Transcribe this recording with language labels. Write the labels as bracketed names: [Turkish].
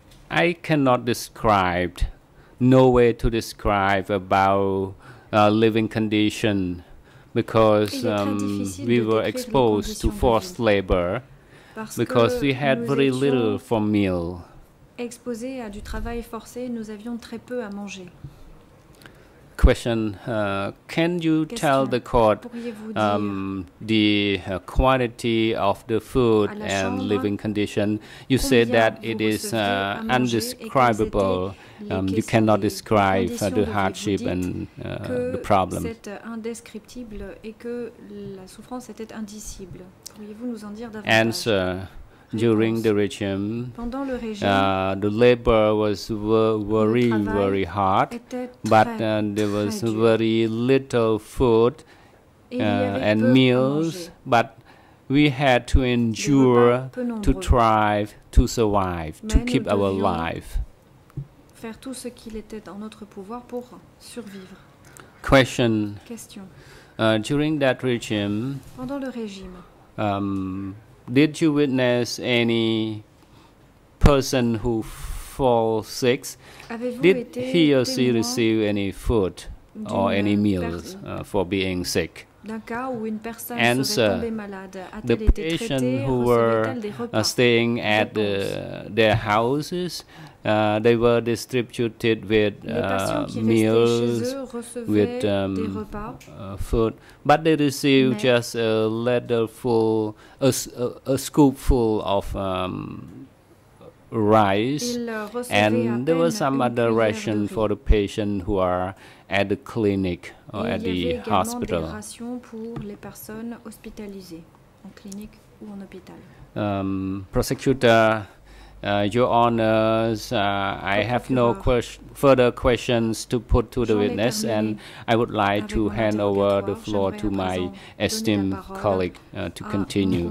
[English] I cannot describe, no way to describe about living condition, because we were exposed to forced labor, because we had very little for meal. [French] Exposés à du travail forcé, nous avions très peu à manger. [English] Question, can you tell the court the quantity of the food and living condition? You said that it is indescribable. You cannot describe the hardship and the problem. [French] C'est indescriptible et que la souffrance était indicible. Pourriez-vous nous en dire davantage? [English] Answer. During the regime, [French] pendant le régime, [English] the labor was very hard, but there was very little food and meals, but we had to endure, to thrive, to survive, [French] mais [English] to keep our life. [French] Faire tout ce qu'il était en notre pouvoir pour survivre. [English] Question. During that regime, [French] pendant le régime, [English] did you witness any person who fall sick? [French] Avez-vous [English] did he or she receive any food or any meals for being sick? [French] D'un cas où une personne [English] answer, [French] serait tombée malade, a-t-elle [English] the [French] été [English] patient [French] traitée, [English] who were staying at the, their houses, they were distributed with meals, with food, but they received [French] mais [English] just a little full, a scoopful of rice, and there was some other ration for the patient who are at the clinic or [French] et [English] at the hospital. [French] Des rations pour les personnes hospitalisées en clinique ou en hôpital. [English] Prosecutor, Your Honors, I have no further questions to put to the witness, and I would like to hand over the floor to my esteemed colleague to continue.